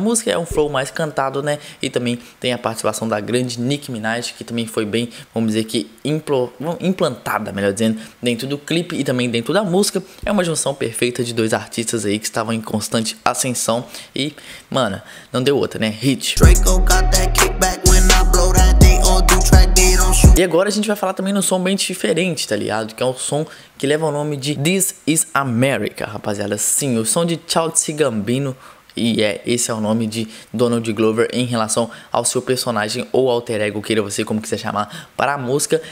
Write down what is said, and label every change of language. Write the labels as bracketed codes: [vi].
[pt] A música é um flow mais cantado, né? E também tem a participação da grande Nicki Minaj, que também foi bem, vamos dizer que implantada, melhor dizendo, dentro do clipe e também dentro da música. É uma junção perfeita de dois artistas aí que estavam em constante ascensão e, mano, não deu outra, né? Hit. [en] Draco got that kickback when I blow that. [pt] E agora a gente vai falar também num som bem diferente, tá ligado? Que é um som que leva o nome de This Is America, rapaziada. Sim, o som de Childish Gambino. E é, esse é o nome de Donald Glover em relação ao seu personagem ou alter ego, queira você como quiser chamar, para a música.